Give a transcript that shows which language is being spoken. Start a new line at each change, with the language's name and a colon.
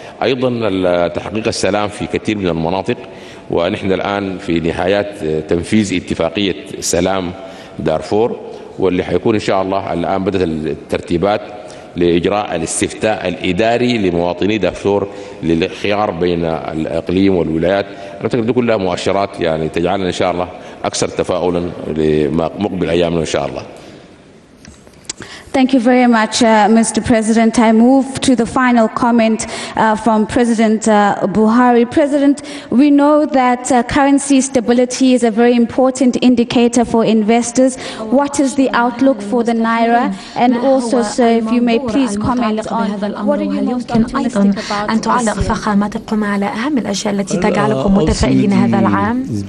Arabic: أيضا تحقيق السلام في كثير من المناطق، ونحن الآن في نهايات تنفيذ اتفاقية سلام دارفور، واللي حيكون إن شاء الله الآن بدأت الترتيبات لإجراء الاستفتاء الإداري لمواطني دارفور للخيار بين الإقليم والولايات. أنا أعتقد كلها مؤشرات يعني تجعلنا إن شاء الله أكثر تفاؤلا لمقبل أيامنا إن شاء الله.
English: Thank you very much, Mr. President. I move to the final comment from President Buhari. President, we know that currency stability is a very important indicator for investors. What is the outlook for the Naira? And also, sir, if you may please comment on what are you most optimistic about this year?
Arabic: أن تعلق فخامتكم على أهم الأشياء التي تجعلكم متفائلين هذا العام.